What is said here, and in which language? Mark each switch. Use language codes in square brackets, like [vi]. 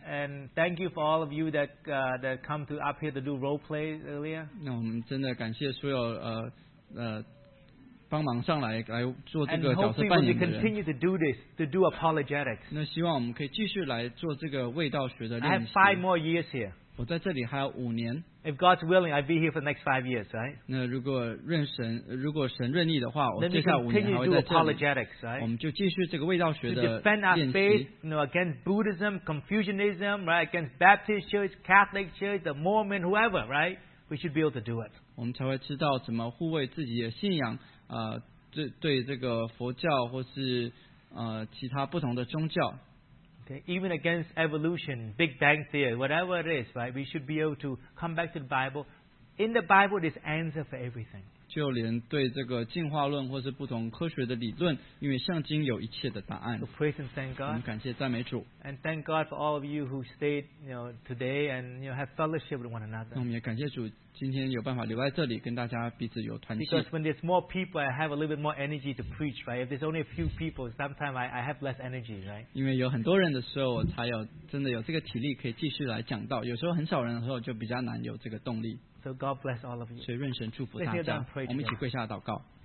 [en] And thank you for all of you that come to up here to do role play earlier. [zh] 那我们真的感谢所有帮忙上来做这个角色扮演的人。 [en] And hopefully we continue to do this to do apologetics. [zh] 那希望我们可以继续来做这个卫道学的练习。 [en] I have 5 more years here. [zh] 我在这里还有五年。 [en] If God's willing, I'd be here for the next 5 years, right? [zh] 那如果神任意的话，我接下来五年还会在这里。 [en] Then we continue to do apologetics, right? [zh] 我们就继续这个卫道学的练习。 [en] To defend our faith, you know, against Buddhism, Confucianism, right? Against Baptist Church, Catholic Church, the Mormon, whoever, right? We should be able to do it. [zh] 我们才会知道怎么护卫自己的信仰，对这个佛教或是其他不同的宗教。 [en] Okay, even against evolution, Big Bang Theory, whatever it is, right? We should be able to come back to the Bible. In the Bible, there's answer for everything. [zh] 就连对这个进化论或是不同科学的理论，因为圣经有一切的答案。 [en] So praise and thank God. [zh] 我们感谢赞美主。 [en] And thank God for all of you who stayed, you know, today and you know, have fellowship with one another. [zh] 那我们也感谢主，今天有办法留在这里，跟大家彼此有团契。 [en] Because when there's more people, I have a little bit more energy to preach, right? If there's only a few people, sometimes I have less energy, right? [zh] 因为有很多人的时候，我才有真的有这个体力可以继续来讲道。有时候很少人的时候，就比较难有这个动力。 [en] So God bless all of you. [zh] 所以愿神祝福大家。我们一起跪下祷告。